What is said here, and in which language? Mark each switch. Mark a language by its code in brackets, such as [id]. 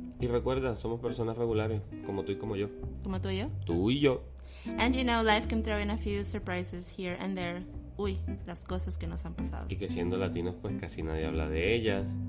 [es] Y recuerda, somos personas regulares, como tú y como yo. ¿Como tú y yo? Tú y yo. [en] And you know, life can throw in a few surprises here and there. [es] Uy, las cosas que nos han pasado. Y que siendo latinos, pues casi nadie habla de ellas.